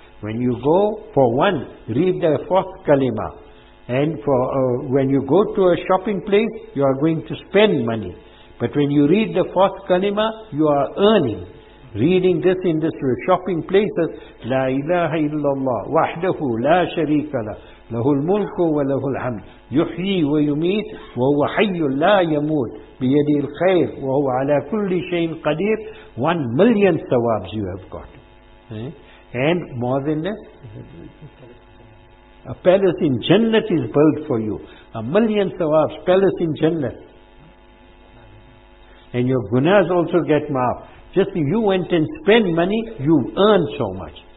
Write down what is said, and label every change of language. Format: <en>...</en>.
<en>When you go, for one, read the fourth kalima. And for when you go to a shopping place, you are going to spend money. But when you read the fourth kalima, you are earning. Reading this in this shopping places,</en> <ar>لا إله إلا الله وحده لا شريك له له الملك وله الحمد يحيي ويميت وهو حي لا يموت بيده الخير وهو على كل شيء قدير.</ar> <en>1 million thawabs you have got. And more than that, a palace in Jannah is built for you. 1 million thawabs, palace in Jannah. And your gunas also get maaf. Just you went and spent money, you earned so much.</en>